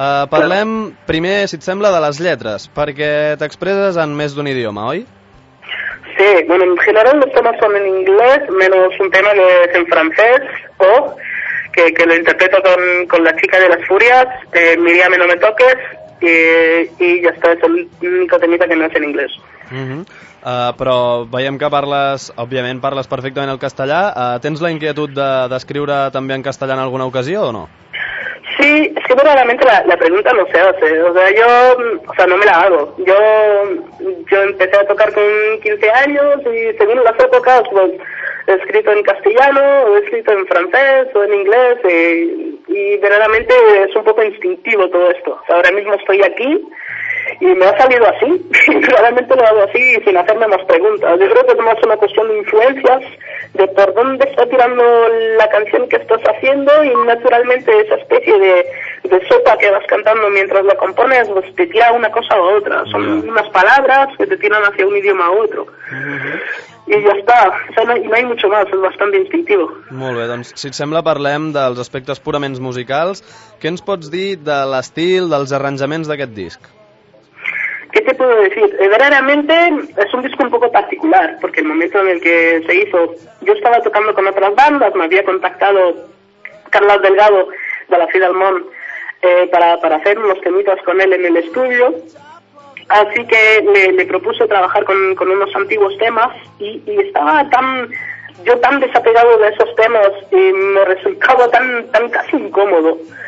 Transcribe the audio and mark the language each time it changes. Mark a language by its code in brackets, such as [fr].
[ca] Parlem primer, si et sembla, de les lletres, perquè t'expresses en més d'un idioma, oi? [es] Sí, bueno, en general los temas son en inglés, menos un tema que es en francés, o que lo interpreto con la chica de las furias, Miriam no me toques, y ya está, es el único temita que no es en inglés. [ca] Uh-huh. Però veiem que parles, òbviament parles perfectament el castellà. Tens la inquietud d'escriure també en castellà en alguna ocasió o no? [es] Sí, es que verdaderamente la pregunta no se hace, no me la hago. Yo empecé a tocar con 15 años y según las épocas, pues, he escrito en castellano, he escrito en francés o en inglés, y verdaderamente es un poco instintivo todo esto. Ahora mismo estoy aquí y me ha salido así, claramente lo hago así sin hacerme más preguntas. Yo creo que es más una cuestión de influencias, de por dónde está tirando la canción que estás haciendo, y naturalmente esa especie de sopa que vas cantando mientras la compones, pues te tira una cosa u otra. Son unas palabras que te tiran hacia un idioma u otro. Y ya está, no hay mucho más, es bastante instintivo. [ca] Molt bé, doncs si et sembla parlem dels aspectes purament musicals. Què ens pots dir de l'estil, dels arranjaments d'aquest disc? [es] ¿Qué te puedo decir? Verdaderamente es un disco un poco particular, porque el momento en el que se hizo, yo estaba tocando con otras bandas, me había contactado Carlos Delgado de la Fidel Mon para hacer unos temitas con él en el estudio, así que le propuse trabajar con unos antiguos temas y estaba tan desapegado de esos temas y me resultaba tan casi incómodo.